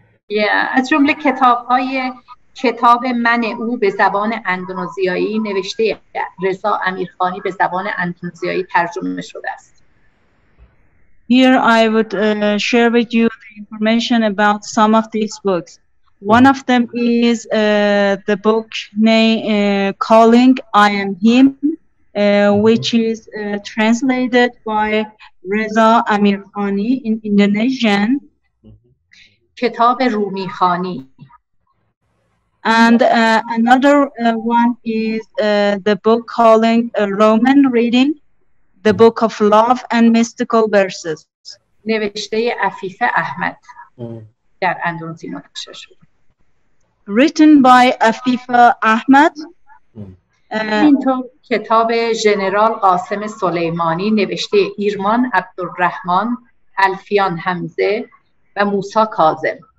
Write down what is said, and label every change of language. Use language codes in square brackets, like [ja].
[fa] Yeah, از جمله کتاب من او به زبان اندونزیایی نوشته رضا امیرخانی به زبان اندونزیایی ترجمه شده است. [en] Here I would share with you the information about some of these books. One of them is the book Calling I Am Him, which is translated by Reza Amirkhani in Indonesian. Kitab Rumikhani. And another one is the book calling Roman Reading, the Book of Love and Mystical Verses. [fa] نوشته عفیفه احمد در اندونزی نوشته شده. [en] Written by عفیفه احمد. [fa] اینطور کتاب جنرال قاسم سلیمانی نوشته ایرمان عبدالرحمن الفیان حمزه و موسا کاظم.